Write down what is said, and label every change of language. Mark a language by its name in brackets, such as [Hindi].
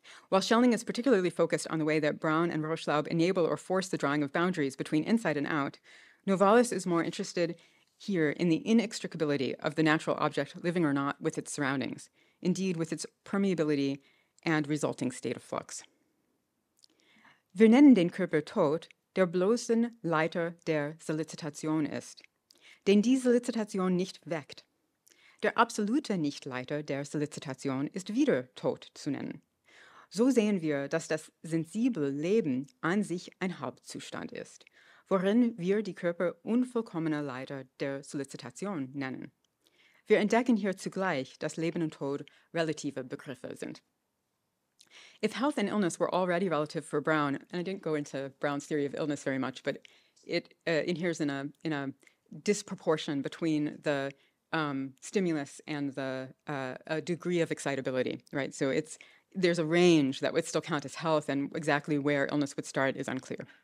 [English] While Schelling is particularly focused on the way that Braun and Rochlaub enable or force the drawing of boundaries between inside and out, Novalis is more interested here in the inextricability of the natural object, living or not, with its surroundings, indeed with its permeability and resulting state of flux. [German] Wir nennen den Körper tot, der bloßen Leiter der Solicitation ist, den die Solicitation nicht weckt. Der absolute Nichtleiter der Solicitation ist wieder tot zu nennen. So sehen wir, dass das sensible Leben an sich ein Hauptzustand ist, worin wir die Körper unvollkommener Leiter der Solicitation nennen. Wir entdecken hier zugleich, dass Leben und Tod relative Begriffe sind. [English] If health and illness were already relative for Brown, and I didn't go into Brown's theory of illness very much, but it inheres in a disproportion between the stimulus and the degree of excitability, right? So there's a range that would still count as health, and exactly where illness would start is unclear.